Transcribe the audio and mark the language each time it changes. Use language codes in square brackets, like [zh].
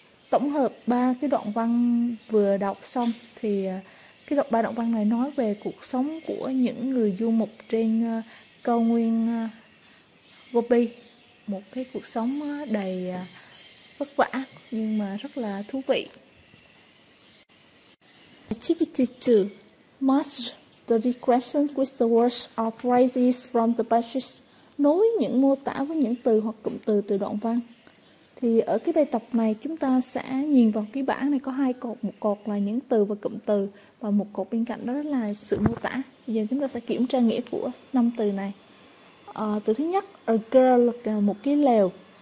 [vi] Tổng hợp ba cái đoạn văn vừa đọc xong thì cái đoạn ba đoạn văn này nói về cuộc sống của những người du mục trên cao nguyên Gobi. Một cái cuộc sống đầy vất vả nhưng mà rất là thú vị. [en] Activity 2. Master the regressions with the words or phrases from the passage. [vi] Nối những mô tả với những từ hoặc cụm từ từ đoạn văn. Thì ở cái bài tập này chúng ta sẽ nhìn vào cái bảng này có hai cột. Một cột là những từ và cụm từ và một cột bên cạnh đó là sự mô tả. Bây giờ chúng ta sẽ kiểm tra nghĩa của năm từ này. Từ thứ nhất, a girl là một cái lều.